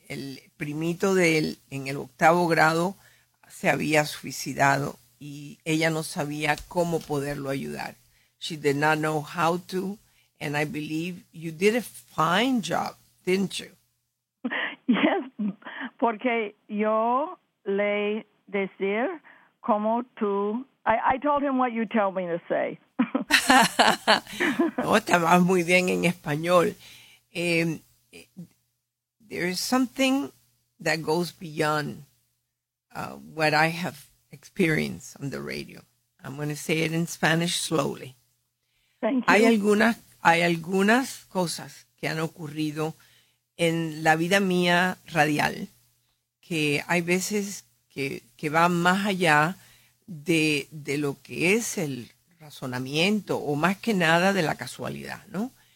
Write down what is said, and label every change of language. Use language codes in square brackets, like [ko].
[es] El primito de él en el octavo grado se había suicidado. Y ella no sabía cómo poderlo ayudar. [en] She did not know how to, and I believe you did a fine job, didn't you? [es] Yes, porque yo le decir cómo tú... [en] I told him what you tell me to say. [es] No, estabas muy bien en español. [en] There is something that goes beyond what I have experience on the radio. I'm going to say it in Spanish slowly. Thank you. [es] Hay algunas cosas que han ocurrido en la vida mía radial que hay veces que van más allá de lo que es el razonamiento o más que nada de la casualidad, ¿no?